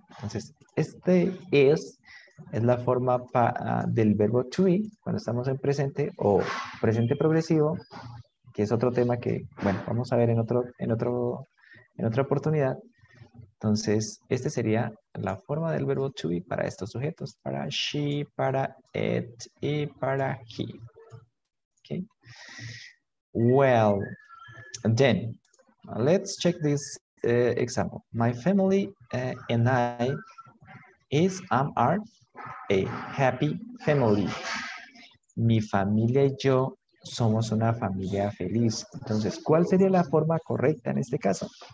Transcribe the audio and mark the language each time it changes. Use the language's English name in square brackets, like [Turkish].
[Spanish] Entonces, este es la forma del verbo to be cuando estamos en presente o presente progresivo, que es otro tema que, bueno, vamos a ver en otra oportunidad. Entonces, este sería la forma del verbo to be para estos sujetos, para she, para it y para he. [English] Okay. Well, then, let's check this example. My family and I are a happy family. [Spanish] Mi familia y yo somos una familia feliz. Entonces, ¿cuál sería la forma correcta en este caso?